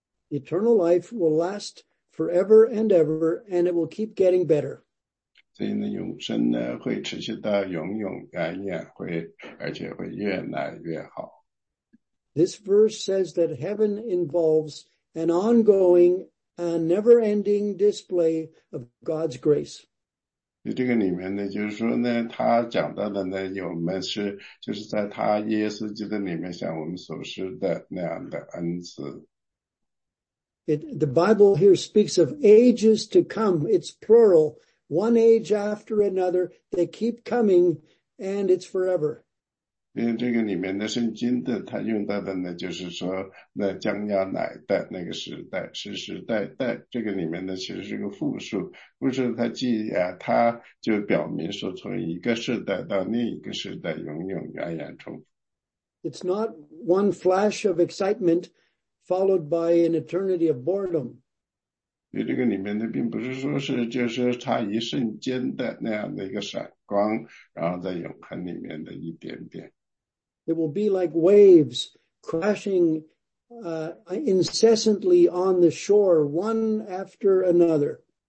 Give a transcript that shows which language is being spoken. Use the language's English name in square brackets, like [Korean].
[English] Eternal life will last forever and ever, and it will keep getting better. [Chinese] 所以呢，永生呢会持续到永永远远，会而且会越来越好。 [English] This verse says that heaven involves an ongoing and never-ending display of God's grace. [Chinese] 这个里面呢，就是说呢，他讲到的呢，我们是就是在他耶稣基督里面向我们所施的那样的恩赐。 [English] The Bible here speaks of ages to come. It's plural. One age after another, they keep coming, and it's forever. [Chinese] 因为这个里面的圣经的，他用到的呢，就是说那将要来的那个时代，世世代代。这个里面呢，其实是个复数，不是他既啊，他就表明说从一个时代到另一个时代，永永远远重复。 [English] It's not one flash of excitement followed by an eternity of boredom. [Chinese] 这个里面的并不是说是就是差一瞬间的那样的一个闪光，然后在永恒里面的一点点。 [English] It will be like waves crashing incessantly on the shore, one after another.